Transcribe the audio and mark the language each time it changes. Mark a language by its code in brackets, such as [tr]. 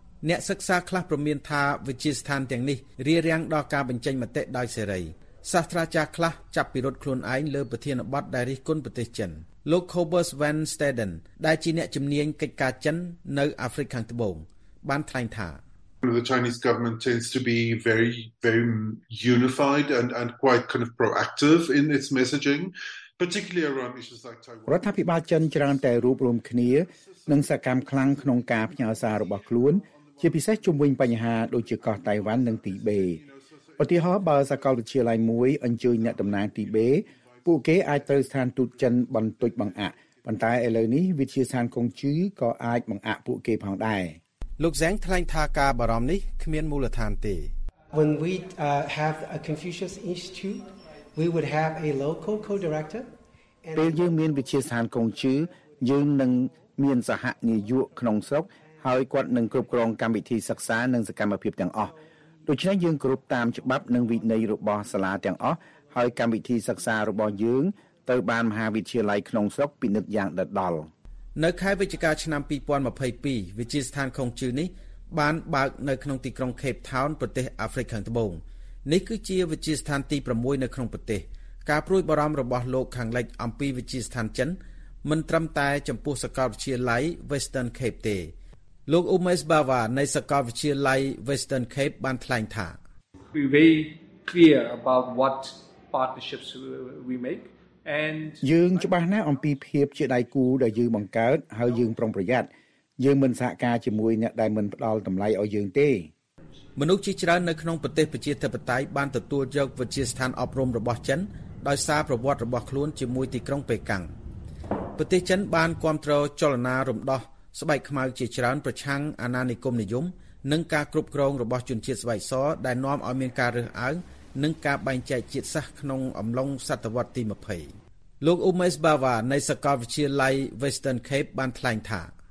[km] អ្នកសិក្សាខ្លះព្រមានថាវិទ្យាស្ថានទាំងនេះរៀបរៀងដល់ការបញ្ចេញមតិដោយសេរីសាស្ត្រាចារ្យខ្លះចាប់ពិរុទ្ធខ្លួនឯងលើប្រធានបទដែលរិះគន់ប្រទេសចិនលោក Cobus Van Staden ដែលជាអ្នកជំនាញកិច្ចការចិននៅអាហ្វ្រិកខាងត្បូងបានថ្លែងថា [en] The Chinese government tends to be very, very unified and quite kind of proactive in its messaging, particularly around issues like Taiwan. [km] រដ្ឋាភិបាលចិនច្រើនតែរួបរួមគ្នានិងសកម្មខ្លាំងក្នុងការផ្ញើសាររបស់ខ្លួនជាពិសេសជុំវិញបញ្ហាដូចជាកោះតៃវ៉ាន់និងទីបេឧទាហរណ៍បើសាកលវិទ្យាល័យមួយអញ្ជើញអ្នកតំណាងទីបេពួកគេអាចត្រូវស្ថានទូតចិនបន្ទុយបង្អាក់ប៉ុន្តែឥឡូវនេះវិទ្យាស្ថានកុងជឺក៏អាចបង្អាក់ពួកគេផងដែរ លោកសែងថ្លែងថាការបារម្ភនេះគ្មានមូលដ្ឋានទេ [en] When we have a Confucius Institute we would have a local co-director [km] ពេលយើងមានវិទ្យាស្ថានកុងជឺយើងនឹងមានសហនាយកក្នុងស្រុកហើយគាត់នឹងគ្រប់គ្រងកម្មវិធីសិក្សានិងសកម្មភាពទាំងអស់ដូច្នេះយើងគ្រប់តាមច្បាប់និងវិន័យរបស់សាលាទាំងអស់ហើយកម្មវិធីសិក្សារបស់យើងទៅបានមហាវិទ្យាល័យក្នុងស្រុកពិនិត្យយ៉ាងដិតដល់ នៅខែវិច្ឆិកាឆ្នាំ2022វិទ្យាស្ថានខុងជឺនេះបានបើកនៅក្នុងទីក្រុង Cape Town ប្រទេសអាហ្វ្រិកខាងត្បូងនេះគឺជាវិទ្យាស្ថានទី6នៅក្នុងប្រទេសការប្រួយបារម្ភរបស់លោកខាងលិចអំពីវិទ្យាស្ថានចិនមិនត្រឹមតែចំពោះសាកលវិទ្យាល័យ Western Cape ទេលោក Umesh Bava នៃសាកលវិទ្យាល័យ Western Cape បានថ្លែងថា [en] We very clear about what partnerships we make. [km] យើងច្បាស់ណាស់អំពីភាពជាដៃគូដែលយើងបង្កើតហើយយើងប្រុងប្រយ័ត្នយើងមិនសហការជាមួយអ្នកដែលមិនផ្ដល់តម្លៃឲ្យយើងទេ មនុស្សជាច្រើននៅក្នុងប្រទេសប្រជាធិបតេយ្យបានទទួលយកវិទ្យាស្ថានអប់រំរបស់ចិនដោយសារប្រវត្តិរបស់ខ្លួនជាមួយទីក្រុងប៉េកាំងប្រទេសចិនបានគ្រប់គ្រងចលនារំដោះស្បែកខ្មៅជាច្រើនប្រឆាំងអាណានិគមនិយមនិងការគ្រប់គ្រងរបស់ជនជាតិស្បែកសដែលនាំឲ្យមានការរើសអើងនឹងការបែងចែកជាតិសាសក្នុងអំឡុងសតវត្សទី20លោក Umesh Bava នៃសាកលវិទ្យាល័យ Western Cape បានថ្លែងថា